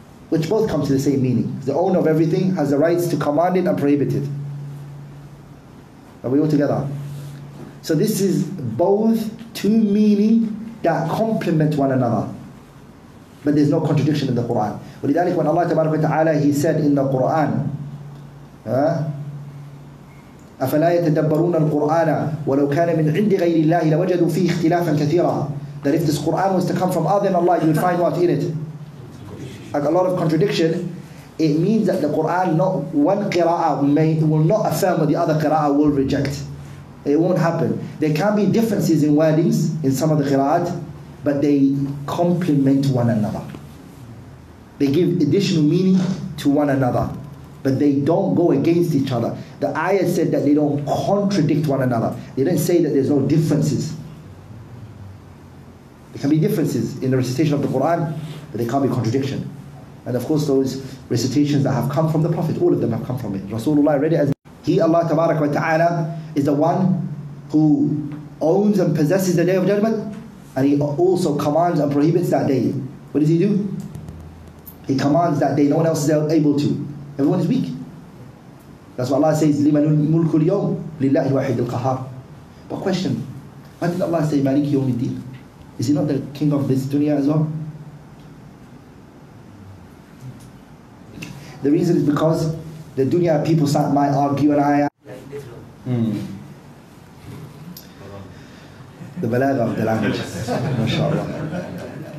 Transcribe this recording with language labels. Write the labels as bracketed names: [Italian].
[English] Which both come to the same meaning. The owner of everything has the rights to command it and prohibit it. Are we all together? So this is both two meanings that complement one another. But there's no contradiction in the Quran. [Arabic] ولذلك [English] when Allah تبارك وتعالى He said in the Quran, [Arabic] أَفَلَا يَتَدَبَّرُونَ الْقُرْآنَ وَلَوْ كَانَ مِنْ عِنْدِ غَيْرِ اللَّهِ لَوَجَدُوا فِيهِ اخْتِلَافًا كَثِيرًا. [English] That if this Quran was to come from other than Allah, you would find what in it? Like a lot of contradiction. It means that the Quran, not one qira'ah will not affirm what the other qira'ah will reject. It won't happen. There can be differences in wordings in some of the qira'at, but they complement one another. They give additional meaning to one another, but they don't go against each other. The ayah said that they don't contradict one another. They didn't say that there's no differences. There can be differences in the recitation of the Quran, but there can't be contradiction. And of course, those recitations that have come from the Prophet, all of them have come from it. Rasulullah read it as He, Allah Tabarak wa Ta'ala, is the one who owns and possesses the Day of Judgment, and He also commands and prohibits that day. What does He do? He commands that day. No one else is able to. Everyone is weak. That's why Allah says, [Arabic] لِمَنُ الْمُلْكُ الْيَوْمُ لِلَّهِ وَاحِدِ الْقَهَارِ. [English] But question, why did Allah say [Arabic] مَالِكِ يَوْمِ الدِّينِ? [English] Is He not the king of this dunya as well? The reason is because the dunya people might argue and I The balagha of the language, mashallah.